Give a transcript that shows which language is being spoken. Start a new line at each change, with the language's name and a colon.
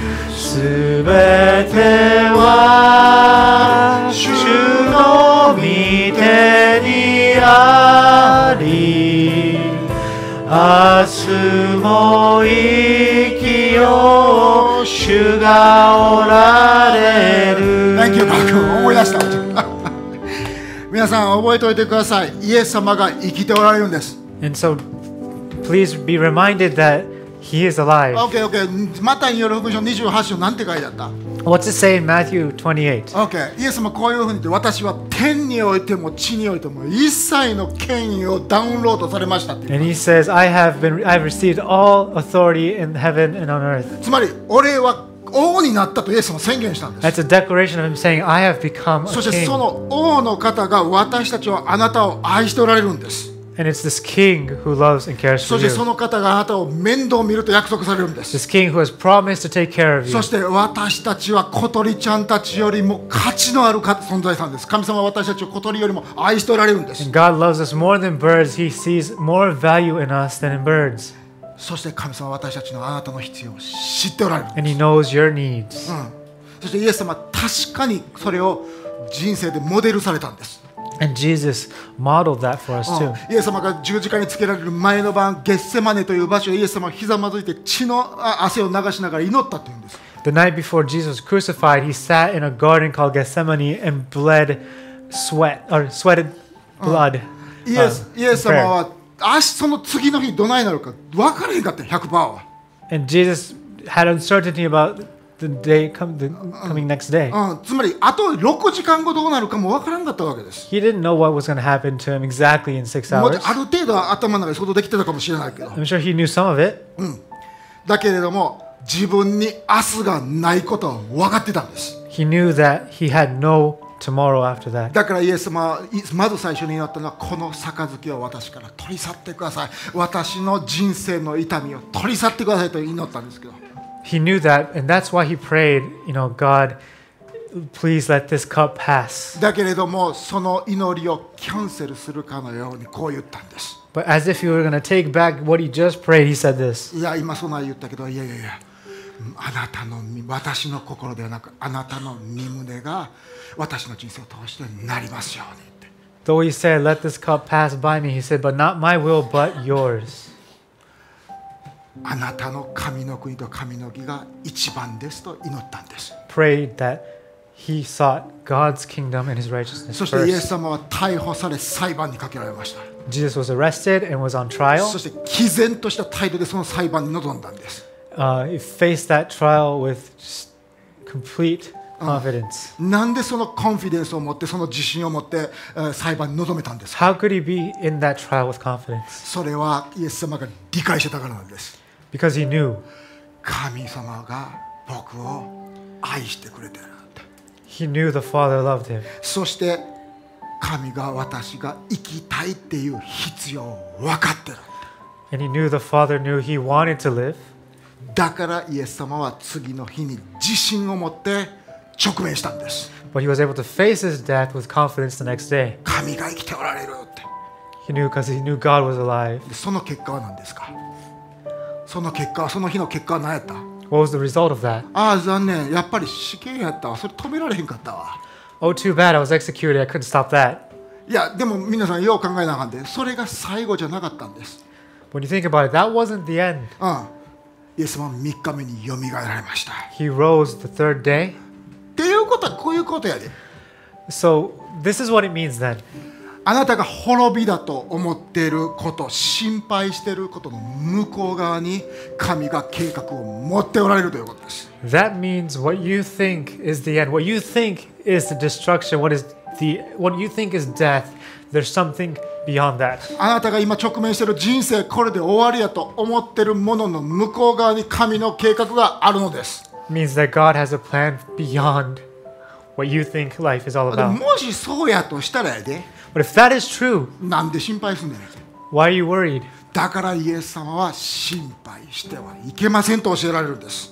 Japanese: すべては主の御手にあり、明日も生きよう、主がおられる。
English: Thank you, Mark.
Japanese: 思い出した。皆さん覚えておいてください。イエス様が生きておられるんです。
English: And so please be reminded that he is alive. Okay, okay.
Japanese: マタイによる福音書28章なんて書いてあった？
English: What's it say in Matthew 28? Okay.
Japanese: イエス様こういうふうに言って、私は天においても地においても一切の権威をダウンロードされましたって
English: 。 And he says, I've received all authority in heaven and on earth.
Japanese: つまり俺は王になったとイエス様宣言したんです。
English: That's a declaration of him saying, I have become a king.
Japanese: そしてその王の方が私たちをあなたを愛しておられるんです。
English: And it's this king who loves and cares for you.
Japanese: そしてその方があなたを面倒を見ると約束されるんです。
English: This king who has promised to take care of you.
Japanese: そして私たちは小鳥ちゃんたちよりも価値のある存在さんです。神様は私たちを小鳥よりも愛しておられるんです。
English: And God loves us more than birds. He sees more value in us than in birds.
Japanese: そして神様は私たちのあなたの必要を知っておられる。
English: And he knows your needs.
Japanese: そしてイエス様は確かにそれを人生でモデルされたんです。
English: And Jesus modeled that for us too.
Japanese: イエス様が十字架につけられる前の晩、ゲッセマネという場所でイエス様はひざまずいて血の汗を流しながら祈ったというんです。
English: The night before Jesus was crucified, he sat in a garden called Gethsemane and bled sweated blood.
Japanese: イエス様は明日その次の日どないなるか分からへんかった 100% は。
English: And Jesus had uncertainty about the day coming next day.
Japanese: つまりあと6時間後どうなるかも分からんかったわけです。
English: He didn't know what was going to happen to him exactly in 6 hours.
Japanese: ある程度は頭の中で想像できてたかもしれないけど、
English: I'm sure he knew some of it.
Japanese: だけれども自分に明日がないことを分かってたんです。
English: He knew that he had no tomorrow after that.
Japanese: だからイエス様はまず最初に言ったのは、この杯を私から取り去ってください、私の人生の痛みを取り去ってくださいと祈ったんですけど、
English: He knew that and that's why he prayed, you know, God, please let this cup pass.
Japanese: だけれどもその祈りをキャンセルするかのようにこう言ったんです。
English: But as if he were going to take back what he just prayed, he said this.
Japanese: いや今そんな言ったけど、いやいやいや、あなたの私の心ではなく、あなたの御胸が私の人生を通してなりますようにって。
English: Though he said, "Let this cup pass by me," he said, "But not my will, but yours."
Japanese: あなたの神の国と神の義が一番ですと祈ったんです。
English: Prayed that he sought God's kingdom and His righteousness first.
Japanese: そしてイエス様は逮捕され裁判にかけられました。
English: Jesus was arrested and was on trial.
Japanese: そして毅然とした態度でその裁判に臨んだんです。
English: He faced that trial with complete confidence.
Japanese: なんでそのコンフィデンスを持って、その自信を持って、裁判に臨めたんですか。
English: How could he be in that trial with confidence?
Japanese: それはイエス様が理解してたからなんです。
English: Because he knew.
Japanese: 神様が僕を愛してくれてるんだ。
English: He knew the Father loved him.
Japanese: そして神が私が生きたいっていう必要を分かってるんだ。
English: And he knew the Father knew he wanted to live.
Japanese: だからイエス様は次の日に自信を持って直面したんです。
English: But he was able to face his death with confidence the next day.
Japanese: 神が生きておられるって。
English: He knew because he knew God was alive.
Japanese: その結果は何ですか？その結果、その日の結果は何やった
English: ？What was the result of that?
Japanese: ああ、残念。やっぱり死刑やったわ。それ止められへんかったわ。
English: Oh, too bad. I was executed. I couldn't stop that.
Japanese: いや、でも皆さんよう考えなあかんで、それが最後じゃなかったんです。
English: When you think about it, that wasn't the end.
Japanese: うん。イエス様は3日目によみがえられました。
English: He rose the third day.
Japanese: っていうことはこういうことやで。
English: So, this is what it means then.
Japanese: あなたが滅びだと思っていること、心配していることの向こう側に神が計画を持っておられるということです。
English: That means what you think is the end, what you think is the destruction, what you think is death, there's something. Beyond that.
Japanese: あなたが今直面している人生これで終わりやと思っているものの向こう側に神の計画があるのです。
English: Means that God has a plan beyond what you think life is all about.
Japanese: もしそうやとしたらやで。
English: But if that is true,
Japanese: なんで心配すんねん。
English: Why are you worried?
Japanese: だからイエス様は心配してはいけませんと教えられるんです。